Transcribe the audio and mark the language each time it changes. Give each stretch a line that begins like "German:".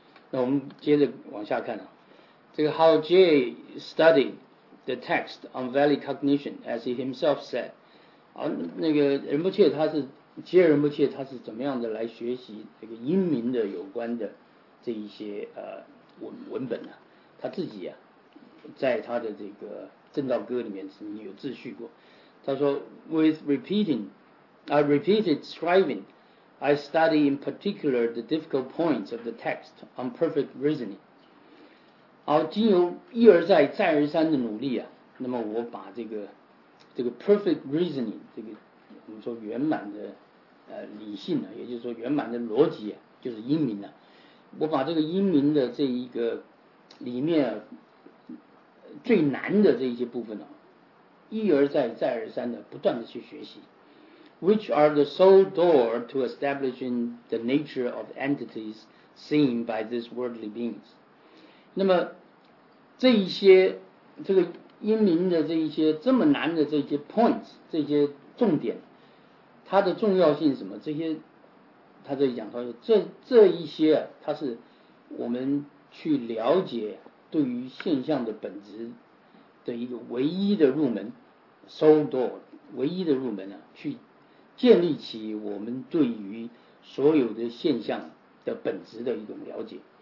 Chinese: 那我们接着往下看啊，这个
English: How Jay studied the text on valley cognition as he himself said。
Chinese: 那个仁波切他是杰仁波切他是怎么样的来学习这个音明的有关的这一些文本呢、啊？他自己啊在他的这个正道歌里面曾经有自叙过，他说
English: With repeated striving I study in particular the difficult points of the text on perfect reasoning。
Chinese: 好，经由一而再再而三的努力啊，那么我把这个 perfect reasoning 这个我们说圆满的理性啊，也就是说圆满的逻辑啊，就是音明啊，我把这个音明的这一个里面啊最难的这一些部分啊一而再再而三的不断的去学习。
English: Which are the sole door to establishing the nature of entities seen by these worldly beings?
Chinese: 那么这一些这个音明的这一些这么难的这些 points 这些重点，它的重要性是什么？这些他这里讲到这一些，它是我们去了解对于现象的本质的一个唯一的入门 ，sole door 唯一的入门啊，去建立起我们对于所有的现象的本质的一种了解。